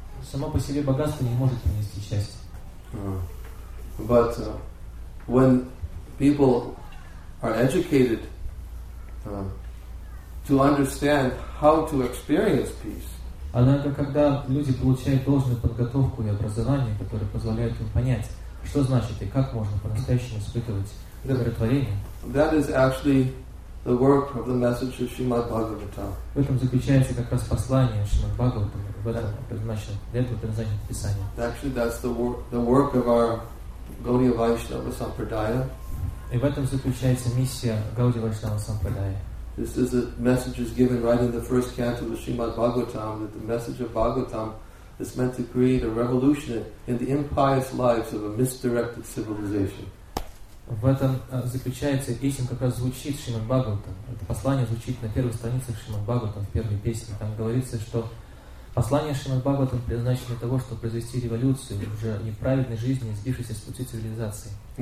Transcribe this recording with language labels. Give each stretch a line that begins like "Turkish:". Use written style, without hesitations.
Russian: Само по себе богатство не может принести счастье.
English: But when people are educated to understand how to experience peace.
Russian: Однако, когда люди получают должную подготовку и образование, которое позволяет им понять, что значит и как можно по-настоящему испытывать удовлетворение,
English: that is actually The work of the message of Srimad Bhagavatam.
Russian: В этом заключается как раз послание Шримад Бхагаватам, в этом предназначено для этого предназначено Писание.
English: Actually, that's the work of our Gaudiya Vaishnava Sampradaya.
Russian: И в этом заключается миссия Гауди Вайшнава Сампрадая.
English: This is the message is given right in the first canto of Srimad Bhagavatam, that the message of Bhagavatam is meant to create a revolution in the impious lives of a misdirected civilization.
Russian: В этом заключается песня, как раз звучит Шримад Бхагаватам. Это послание звучит на первой странице Шримад Бхагаватам, в первой песне. Там говорится, что послание Шримад Бхагаватам предназначено для того, чтобы произвести революцию в уже неправедной жизни, сбившейся с пути цивилизации.